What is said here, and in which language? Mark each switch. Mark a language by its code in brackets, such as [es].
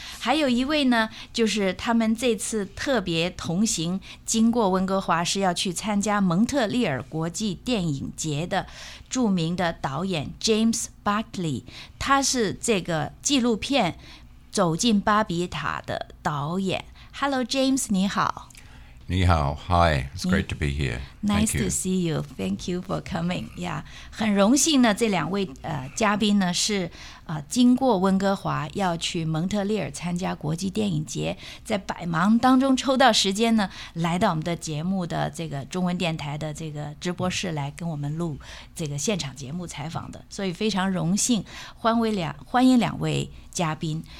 [zh] 还有一位呢，就是他们这次特别同行经过温哥华，是要去参加蒙特利尔国际电影节的著名的导演 James Buckley， 他是这个纪录片走进巴比塔的导演。 [en] Hello James [zh] 你好。你好 [en] Hi, it's great to be here. Nice to see you. Thank you for coming. [zh] Yeah, 很荣幸呢，这两位嘉宾呢是经过温哥华要去蒙特利尔参加国际电影节，在百忙当中抽到时间呢来到我们的节目的这个中文电台的这个直播室来跟我们录这个现场节目采访的，所以非常荣幸欢迎两位嘉宾。